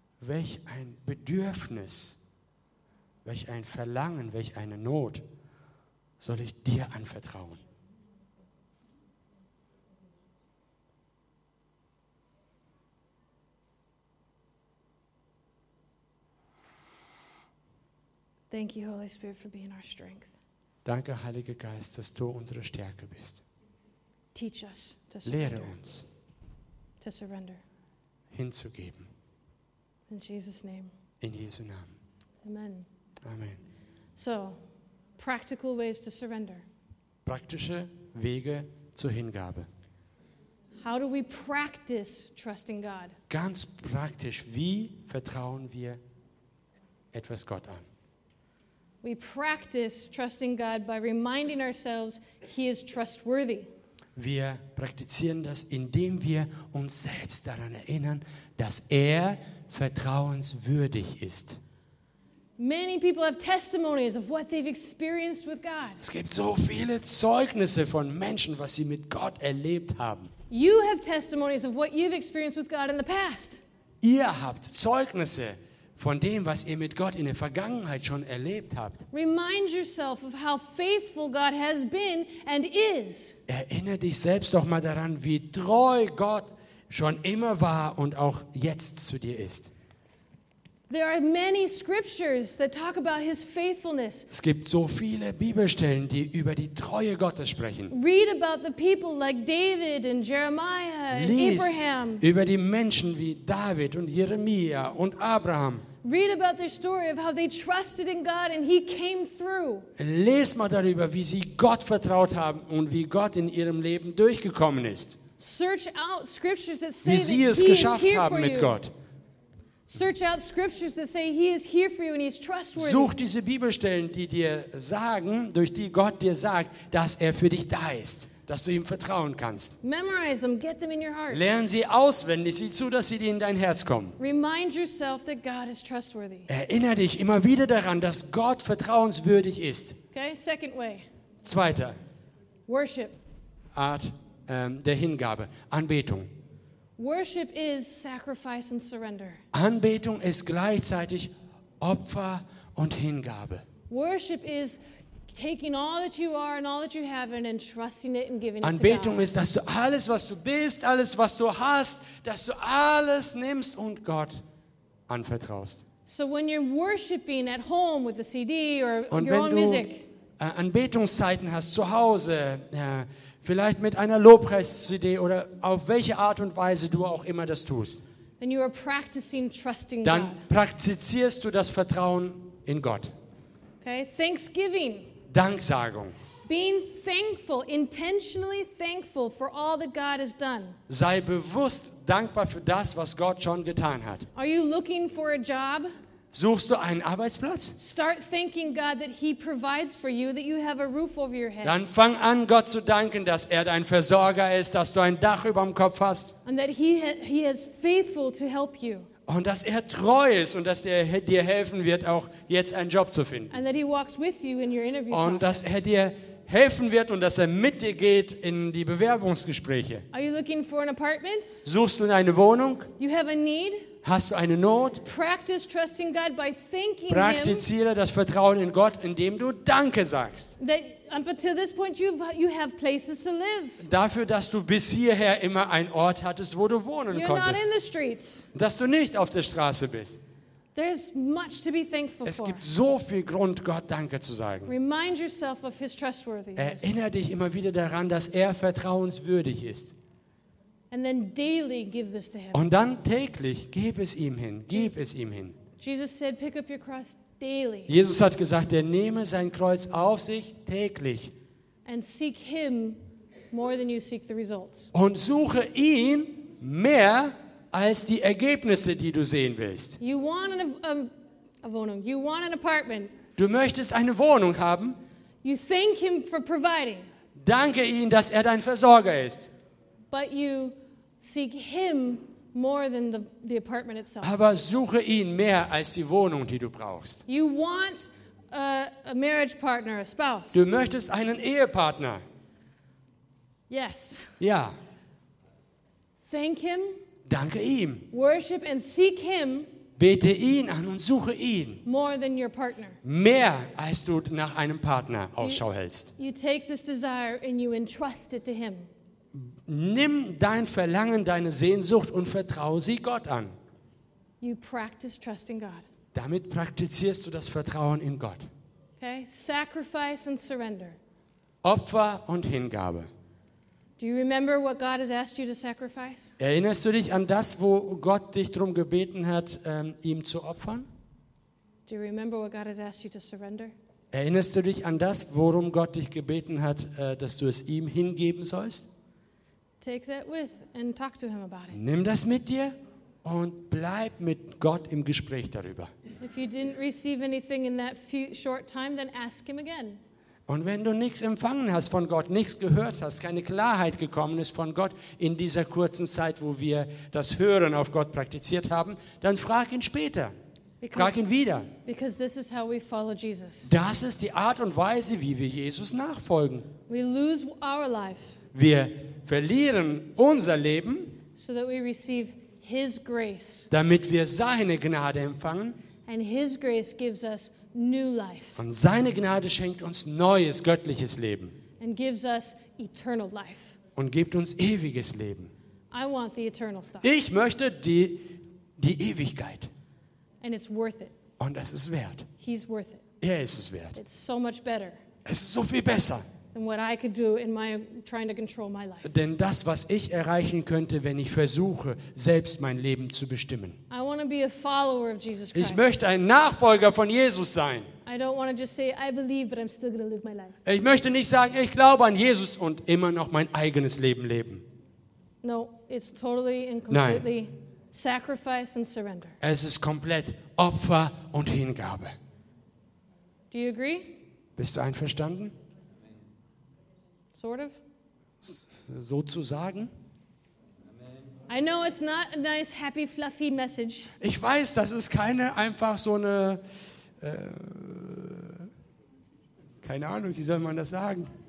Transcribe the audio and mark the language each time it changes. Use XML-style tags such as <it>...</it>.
<de>Welch ein Bedürfnis, welch ein Verlangen, welch eine Not soll ich dir anvertrauen?</de> <en>Thank you, Holy Spirit, for being our strength.</en> <de>Danke, Heiliger Geist, dass du unsere Stärke bist.</de> <en>Teach us to surrender.</en> <de>Lehre uns,</de> <en>to surrender.</en> <de>Hinzugeben.</de> <en>In Jesus' name.</en> <de>In Jesu Namen. Amen. Amen.</de> <en>So, practical ways to surrender.</en> <de>Praktische Wege zur Hingabe.</de> <en>How do we practice trusting God?</en> <de>Ganz praktisch, wie vertrauen wir etwas Gott an?</de> <en>We practice trusting God by reminding ourselves he is trustworthy.</en> <de>Wir praktizieren das, indem wir uns selbst daran erinnern, dass vertrauenswürdig ist.</de> <en>Many people have testimonies of what they've experienced with God.</en> <de>Es gibt so viele Zeugnisse von Menschen, was sie mit Gott erlebt haben.</de> <en>You have testimonies of what you've experienced with God in the past.</en> <de>Ihr habt Zeugnisse von dem, was ihr mit Gott in der Vergangenheit schon erlebt habt.</de> <en>Remind yourself of how faithful God has been and is.</en> <de>Erinnere dich selbst doch mal daran, wie treu Gott schon immer war und auch jetzt zu dir ist.</de> <en>There are many scriptures that talk about his faithfulness.</en> <de>Es gibt so viele Bibelstellen, die über die Treue Gottes sprechen.</de> <en>Read about the people like David and Jeremiah and Abraham.</en> <de>Lies über die Menschen wie David und Jeremia und Abraham.</de> <en>Read about their story of how they trusted in God and he came through.</en> <de>Lies mal darüber, wie sie Gott vertraut haben und wie Gott in ihrem Leben durchgekommen ist.</de> <en>Search out scriptures that say</en> <de>wie sie es geschafft haben mit Gott.</de> <en>Search out scriptures that say he is here for you and he is trustworthy.</en> <de>Such diese Bibelstellen, die dir sagen, durch die Gott dir sagt, dass für dich da ist, dass du ihm vertrauen kannst.</de> <en>Memorize them, get them in your heart.</en> <de>Lern sie auswendig, sieh zu, dass sie dir in dein Herz kommen.</de> <en>Remind yourself that God is trustworthy.</en> <de>Erinnere dich immer wieder daran, dass Gott vertrauenswürdig ist.</de> <en>Okay, second way.</en> <de>Zweiter.</de> <en>Worship.</en> <de>Art der Hingabe, Anbetung.</de> <en>Worship is sacrifice and surrender.</en> <de>Anbetung ist gleichzeitig Opfer und Hingabe.</de> <en>Worship is taking all that you are and all that you have and entrusting it and giving it to God.</en> <de>Anbetung ist, dass du alles, was du bist, alles, was du hast, dass du alles nimmst und Gott anvertraust.</de> <en>So when you're worshiping at home with a CD or your own music.</en> <de>Und wenn du Anbetungszeiten hast zu Hause, vielleicht mit einer Lobpreis-CD oder auf welche Art und Weise du auch immer das tust,</de> <en>then you are practicing trusting</en> <de>dann praktizierst du das Vertrauen in Gott.</de> <en>Okay. Thanksgiving.</en> <de>Danksagung.</de> <en>Being thankful, intentionally thankful for all that God has done.</en> <de>Sei bewusst dankbar für das, was Gott schon getan hat.</de> <en>Are you looking for a job?</en> <de>Suchst du einen Arbeitsplatz?</de> <en>Start thanking God that he provides for you, that you have a roof over your head.</en> <de>Dann fang an, Gott zu danken, dass dein Versorger ist, dass du ein Dach über dem Kopf hast.</de> <en>And that he is faithful to help you.</en> <de>Und dass er treu ist und dass er dir helfen wird, auch jetzt einen Job zu finden.</de> <en>And that he walks with you in your interview process.</en> <de>Und dass er dir helfen wird und dass er mit dir geht in die Bewerbungsgespräche.</de> <en>Are you looking for an apartment?</en> <de>Suchst du eine Wohnung?</de> <en>You have a need?</en> <de>Hast du eine Not?</de> <en>Practice trusting God by thanking</en> <de>Praktiziere</de> <en>him,</en> <de>das Vertrauen in Gott, indem du Danke sagst.</de> <en>That up until this point you have places to live.</en> <de>Dafür, dass du bis hierher immer einen Ort hattest, wo du wohnen</de> <en>You're</en> <de>konntest.</de> <en>Not in the streets.</en> <de>Dass du nicht auf der Straße bist.</de> <en>There's much to be thankful for.</en> <de>Es gibt so viel Grund, Gott Danke zu sagen.</de> <en>Remind yourself of his trustworthiness.</en> <de>Erinnere dich immer wieder daran, dass er vertrauenswürdig ist.</de> <en>And then daily give this to him.</en> <de>Und dann täglich gib es ihm hin. Gib es ihm hin.</de> <en>Jesus said, pick up your cross daily.</en> <de>Jesus hat gesagt, er nehme sein Kreuz auf sich täglich.</de> <en>And seek him more than you seek the results.</en> <de>Und suche ihn mehr als die Ergebnisse, die du sehen willst.</de> <en>You want a Wohnung. You want an apartment.</en> <de>Du möchtest eine Wohnung haben.</de> <en>You thank him for providing.</en> <de>Danke ihm, dass er dein Versorger ist.</de> <en>But you seek him more than the apartment itself.</en> <de>Aber suche ihn mehr als die Wohnung, die du brauchst.</de> <en>You want a marriage partner, a spouse.</en> <de>Du möchtest einen Ehepartner.</de> <en>Yes.</en> <de>Ja.</de> <en>Thank him.</en> <de>Danke ihm.</de> <en>Worship and seek him.</en> <de>Bete ihn an und suche ihn.</de> <en>More than your partner.</en> <de>Mehr als du nach einem Partner Ausschau hältst.</de> <en>You take this desire and you entrust it to him.</en> <de>Nimm dein Verlangen, deine Sehnsucht und vertraue sie Gott an.</de> <en>You practice trusting God.</en> <de>Damit praktizierst du das Vertrauen in Gott.</de> <en>Okay? Sacrifice and surrender.</en> <de>Opfer und Hingabe.</de> <en>Do you remember what God has asked you to sacrifice?</en> <de>Erinnerst du dich an das, wo Gott dich darum gebeten hat, ihm zu opfern?</de> <en>Do you remember what God has asked you to surrender?</en> <de>Erinnerst du dich an das, worum Gott dich gebeten hat, dass du es ihm hingeben sollst?</de> <en>Take that with and talk to him about it.</en> <de>Nimm das mit dir und bleib mit Gott im Gespräch darüber.</de> <en>If you didn't receive anything in that few short time, then ask him again.</en> <de>Und wenn du nichts empfangen hast von Gott, nichts gehört hast, keine Klarheit gekommen ist von Gott in dieser kurzen Zeit, wo wir das Hören auf Gott praktiziert haben, dann frag ihn später. Frag ihn wieder.</de> <en>Because this is how we follow Jesus.</en> <de>Das ist die Art und Weise, wie wir Jesus nachfolgen.</de> <en>We lose our life.</en> <de>Wir verlieren unser Leben,</de> <en>so that we receive his grace.</en> <de>Damit wir seine Gnade empfangen.</de> <en>And his grace gives us new life.</en> <de>Und seine Gnade schenkt uns neues, göttliches Leben.</de> <en>And gives us eternal life.</en> <de>Und gibt uns ewiges Leben.</de> <en>I want the eternal stuff.</en> <de>Ich möchte die Ewigkeit.</de> <en>And it's worth it.</en> <de>Und es ist wert.</de> <en>He's worth it.</en> <de>Er ist es wert.</de> <en>It's so much better.</en> <de>Es ist so viel besser.</de> <en>And what I could do in my trying to control my life.</en> <de>Denn das, was ich erreichen könnte, wenn ich versuche, selbst mein Leben zu bestimmen.</de> <en>I want to be a follower of Jesus Christ.</en> <de>Ich möchte ein Nachfolger von Jesus sein.</de> <en>I don't want to just say I believe, but I'm still going to live my life.</en> <de>Ich möchte nicht sagen, ich glaube an Jesus und immer noch mein eigenes Leben leben.</de> <en>No, it's totally and completely sacrifice and surrender.</en> <de>Es ist komplett Opfer und Hingabe.</de> <en>Do you agree?</en> <de>Bist du einverstanden?</de> <en>Sort of.</en> <de>Sozusagen.</de> <en>I know it's not a nice, happy, fluffy message.</en> <de>Ich weiß, das ist keine einfach so eine, keine Ahnung, wie soll man das sagen?</de>